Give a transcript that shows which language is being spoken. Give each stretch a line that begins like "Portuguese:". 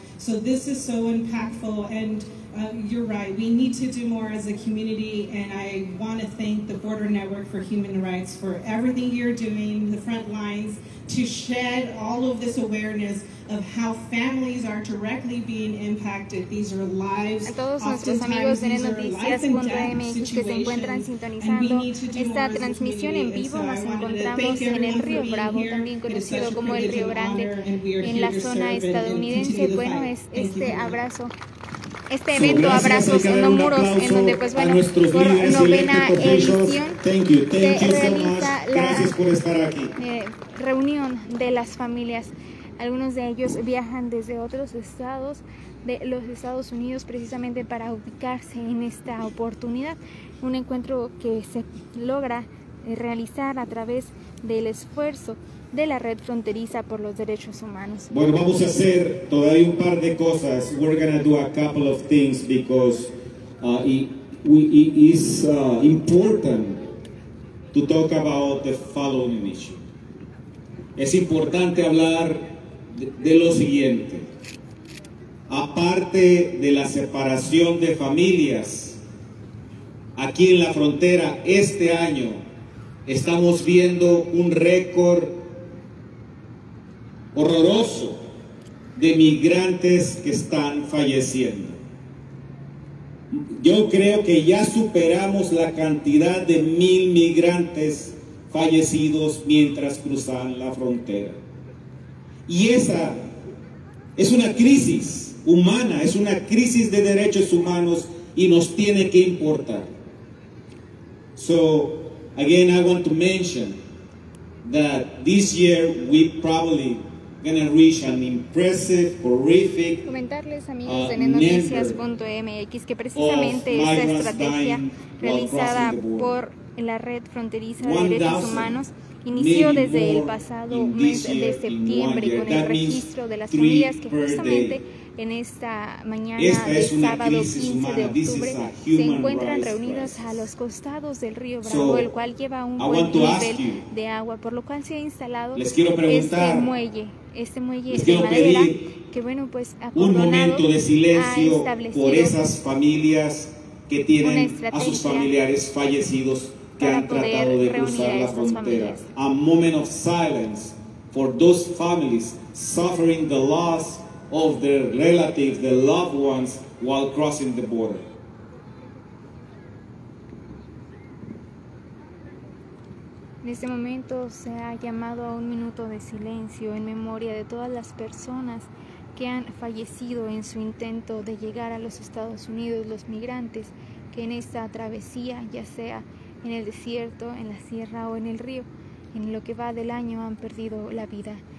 English: So this is so impactful, and you're right, we need to do more as a community, and I want to thank the Border Network for Human Rights for everything you're doing, the front lines, to shed all of this awareness of how families are directly being impacted. These are lives, oftentimes these are life and death situations, and we need to do more as a community. So I wanted to thank everyone for being here. It is such a privilege and honor, and we are here to serve and continue the fight. Thank you.
Spanish: Este evento, Abrazos No Muros, en donde pues bueno, por novena edición, se realiza la reunión de las familias. Algunos de ellos viajan desde otros estados de los Estados Unidos precisamente para ubicarse en esta oportunidad. Un encuentro que se logra realizar a través del esfuerzo de la Red Fronteriza por los Derechos Humanos. Bueno, vamos a hacer todavía un par de cosas.
English: We're going to do a couple of things because it is important to talk about the following issue.
Spanish: Es importante hablar de lo siguiente. Aparte de la separación de familias, aquí en la frontera este año estamos viendo un récord horroroso de migrantes que están falleciendo. Yo creo que ya superamos la cantidad de 1,000 migrantes fallecidos mientras cruzan la frontera. Y esa es una crisis humana, es una crisis de derechos humanos y nos tiene que importar.
English: So, again, I want to mention that this year we probably going to reach an impressive, horrific
Spanish: comentarles amigos de Nenoticias.mx que precisamente esta estrategia realizada por la Red Fronteriza de Derechos Humanos inició desde el pasado mes de septiembre con el registro de las familias que justamente en esta mañana del sábado 15 de octubre se encuentran reunidas a los costados del río Bravo, el cual lleva un buen nivel de agua, por lo cual se ha instalado este muelle de madera, que bueno, pues ha establecido por esas familias que tienen a sus familiares fallecidos que han tratado de cruzar la frontera.
English: A moment of silence for those families suffering the loss of their relatives, their loved ones, while crossing the border.
Spanish: En este momento se ha llamado a un minuto de silencio en memoria de todas las personas que han fallecido en su intento de llegar a los Estados Unidos, los migrantes que en esta travesía, ya sea en el desierto, en la sierra o en el río, en lo que va del año han perdido la vida.